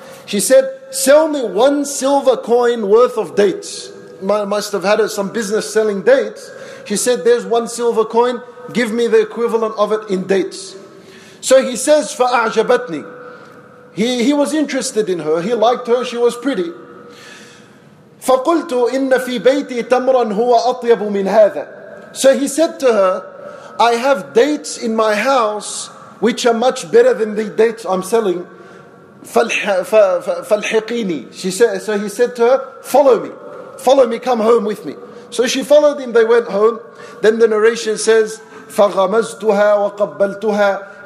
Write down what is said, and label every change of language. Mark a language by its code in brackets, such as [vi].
[en] She said, sell me one silver coin worth of dates. Must have had some business selling dates. She said, there's one silver coin, give me the equivalent of it in dates. So he says, [ar] فَأَعْجَبَتْنِي. [en] He was interested in her. He liked her. She was pretty. [ar] فَقُلْتُ إِنَّ فِي بَيْتِي تَمْرًا هُوَ أَطْيَبُ مِنْ هَذَا. [en] So he said to her, I have dates in my house which are much better than the dates I'm selling. [ar] فَالْحِقِينِي. [en] So he said to her, follow me. Follow me, come home with me. So she followed him. They went home. Then the narration says, [ar] فَغَمَزْتُهَا وَقَبَّلْتُهَا.